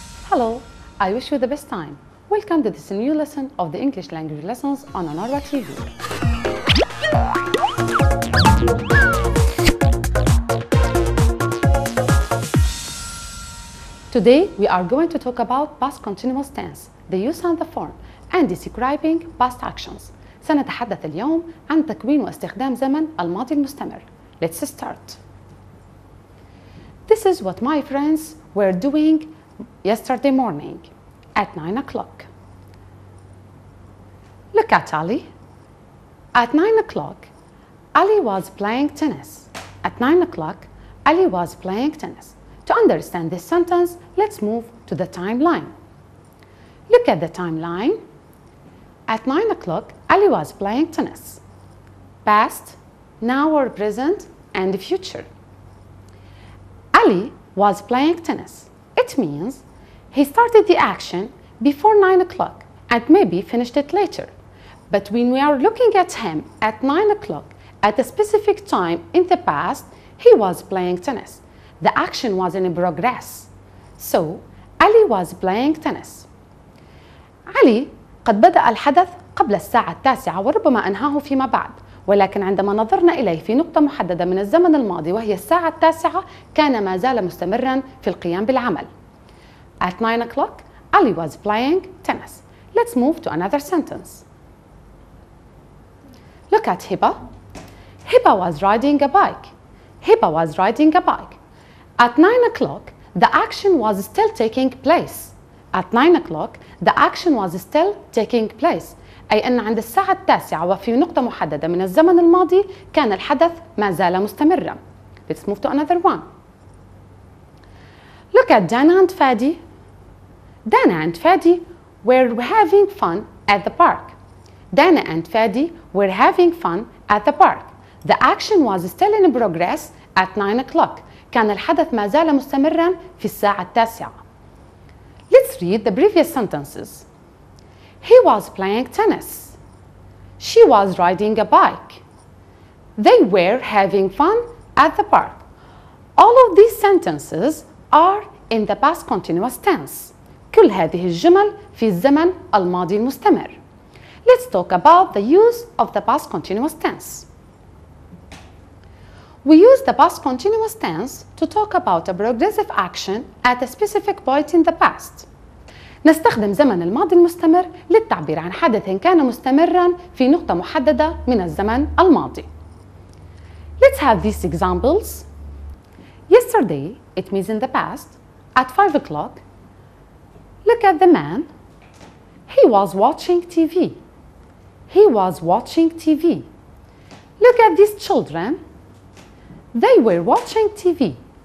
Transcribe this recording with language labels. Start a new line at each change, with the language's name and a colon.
English: Hello, I wish you the best time. Welcome to this new lesson of the English language lessons on Anorva TV. Today, we are going to talk about past continuous tense, the use and the form, and describing past actions.
Arabic: سنتحدث اليوم عن تكوين واستخدام زمن الماضي المستمر.
English: Let's start. This is what my friends were doing yesterday morning at 9 o'clock. Look at Ali. At 9 o'clock, Ali was playing tennis. At 9 o'clock, Ali was playing tennis. To understand this sentence, let's move to the timeline. Look at the timeline. At 9 o'clock, Ali was playing tennis. Past, now or present, and future. Ali was playing tennis. It means he started the action before 9 o'clock and maybe finished it later. But when we are looking at him at 9 o'clock at a specific time in the past, he was playing tennis. The action was in progress. So, Ali was playing tennis.
Arabic: Ali قد بدأ الحدث قبل الساعة التاسعة وربما أنهاه فيما بعد. ولكن عندما نظرنا إليه في نقطة محددة من الزمن الماضي وهي الساعة التاسعة كان ما زال مستمرا في القيام بالعمل.
English: At 9 o'clock, Ali was playing tennis. Let's move to another sentence. Look at Hiba. Hiba was riding a bike. Hiba was riding a bike. At 9 o'clock, the action was still taking place. At 9 o'clock, the action was still taking place.
Arabic: أي أن عند الساعة التاسعة وفي نقطة محددة من الزمن الماضي كان الحدث ما زال مستمرا.
English: Let's move to another one. Look at Dana and Fadi. Dana and Fadi were having fun at the park. Dana and Fadi were having fun at the park. The action was still in progress at 9 o'clock.
Arabic: كان الحدث ما زال مستمرا في الساعة التاسعة.
English: Let's read the previous sentences. He was playing tennis. She was riding a bike. They were having fun at the park. All of these sentences are in the past continuous tense.
Arabic: كل هذه الجمل في الزمن الماضي المستمر.
English: Let's talk about the use of the past continuous tense. We use the past continuous tense to talk about a progressive action at a specific point in the past.
Arabic: نستخدم زمن الماضي المستمر للتعبير عن حدث كان مستمرا في نقطة محددة من الزمن الماضي.
English: Let's have these examples. Yesterday, it means in the past, at 5 o'clock, look at the man. He was watching TV. He was watching TV. Look at these children. They were watching TV.